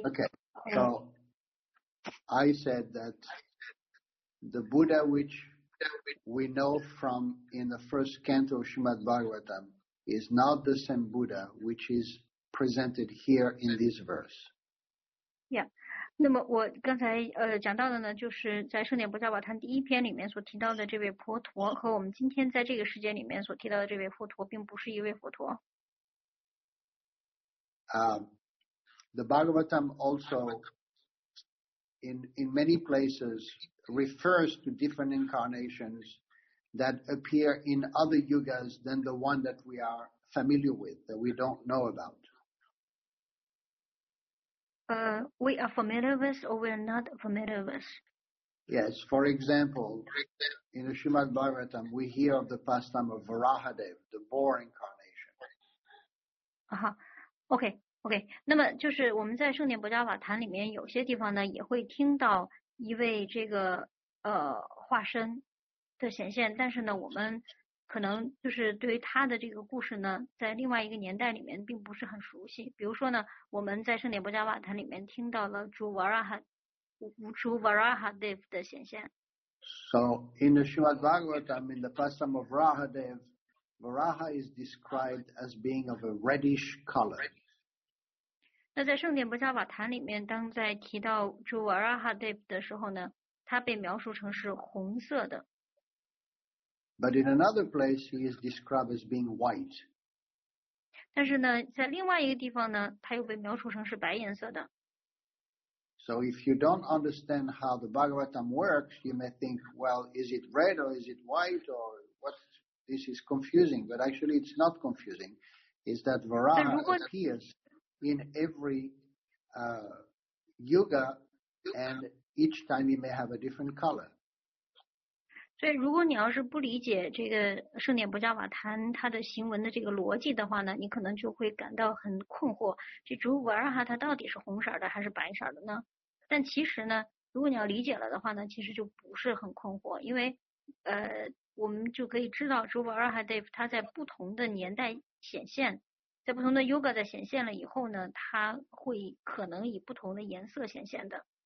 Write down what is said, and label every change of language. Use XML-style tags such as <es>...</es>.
<en>Yeah, okay. So, I said that the Buddha which we know from in the first canto of Srimad Bhagavatam is not the same Buddha which is presented here in this verse. Yeah.</en> <zh>那么我刚才讲到的呢就是在圣殿伯扎瓦坛第一篇里面所提到的这位佛陀和我们今天在这个世界里面所提到的这位佛陀并不是一位佛陀。</zh> <en>The Bhagavatam also in many places refers to different incarnations that appear in other yugas than the one that we are familiar with, that we don't know about. We are familiar with or we are not familiar with? Yes, for example, in the Srimad Bhagavatam, we hear of the pastime of Varahadev, the boar incarnation. Uh-huh. Okay.</en> <zh>那么就是我们在圣殿伯扎瓦坛里面有些地方呢也会听到一位这个化身的显现，但是呢我们可能就是对于他的这个故事呢在另外一个年代里面并不是很熟悉。比如说呢我们在圣殿伯扎瓦坛里面听到了主 Varahadev 的显现。</zh> <en>So, in the Srimad Bhagavatam, in the pastime of Varahadev, Varaha is described as being of a reddish color.</en> <zh>那在圣殿伯扎瓦坛里面当在提到主 Varahadev 的时候呢他被描述成是红色的。</zh> <en>But in another place, he is described as being white.</en> <zh>但是呢，在另外一个地方呢，他又被描述成是白颜色的。</zh> <en>So if you don't understand how the Bhagavatam works, you may think, well, is it red or is it white or what? This is confusing. But actually, it's not confusing. Is that Varaha appears in every yuga, and each time he may have a different color.</en> <zh>所以如果你要是不理解这个圣殿伯扎瓦坛它的行文的这个逻辑的话呢你可能就会感到很困惑这主瓦尔哈它到底是红色的还是白色的呢但其实呢如果你要理解了的话呢其实就不是很困惑因为我们就可以知道主瓦尔哈德它在不同的年代显现在不同的 yoga 在显现了以后呢它会可能以不同的颜色显现的。</zh>